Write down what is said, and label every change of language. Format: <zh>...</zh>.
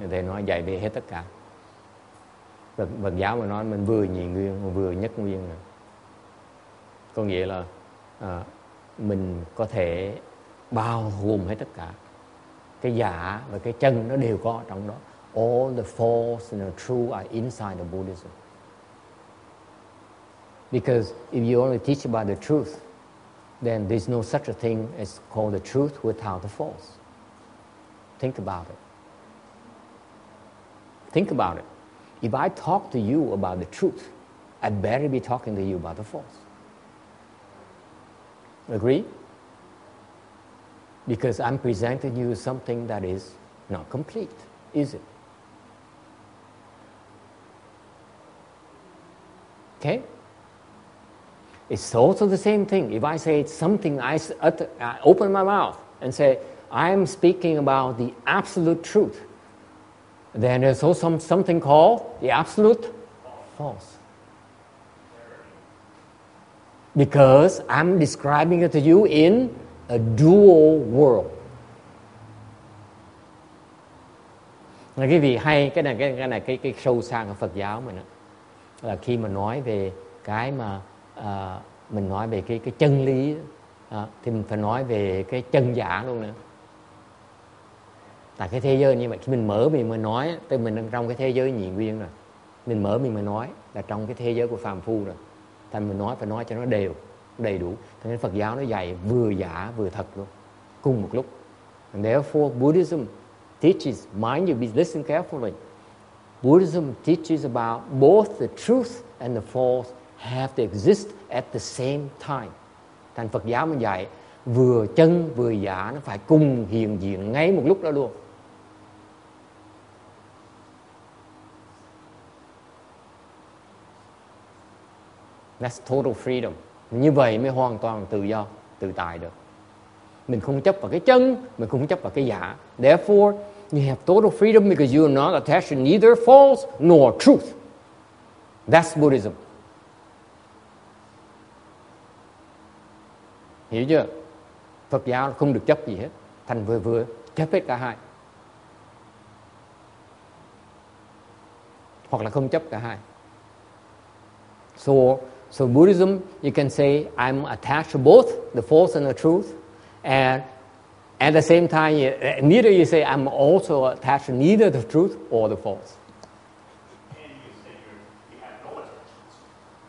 <vi>Thầy nói dạy về hết tất cả. Phật giáo mình nói mình vừa nhị nguyên vừa nhất nguyên. Có nghĩa là mình có thể bao gồm hết tất cả. Cái giả và cái chân nó đều có trong đó.</vi> <en>All the false and the true are inside the Buddhism. Because if you only teach about the truth, then there's no such a thing as called the truth without the false. Think about it. Think about it. If I talk to you about the truth, I better be talking to you about the false. Agree? Because I'm presenting you something that is not complete, is it? Okay? It's also the same thing. If I say something, I open my mouth and say, I am speaking about the absolute truth, then there's also something called the absolute false. Because I'm describing it to you in a dual world.</en> <vi>Cái gì hay, cái này, sâu xa của Phật giáo mình đó, là khi mà nói về cái mà mình nói về cái chân lý thì mình phải nói về cái chân giả luôn nữa. Tại cái thế giới như vậy, khi mình mở miệng mà nói, tức mình đang trong cái thế giới nhị nguyên rồi. Mình mở miệng mà nói là trong cái thế giới của phàm phu rồi. Thành mình nói phải nói cho nó đều, đầy đủ. Thế nên Phật giáo nó dạy vừa giả vừa thật luôn, cùng một lúc.</vi> <en>And therefore Buddhism teaches, mind you, be listen carefully. Buddhism teaches about both the truth and the false have to exist at the same time.</en> <vi>Thành Phật giáo mình dạy vừa chân vừa giả nó phải cùng hiện diện ngay một lúc đó luôn.</vi> <en>That's total freedom.</en> <vi>Như vậy mới hoàn toàn tự do, tự tại được. Mình không chấp vào cái chân, mình không chấp vào cái giả.</vi> <en>Therefore, you have total freedom because you are not attached to neither false nor truth. That's Buddhism.</en> <vi>Hiểu chưa? Phật giáo không được chấp gì hết. Thành vừa chấp hết cả hai. Hoặc là không chấp cả hai.</vi> <en>So Buddhism, you can say, I'm attached to both the false and the truth. And at the same time, neither you say, I'm also attached to neither the truth or the false. And you say you have no attachments.</en>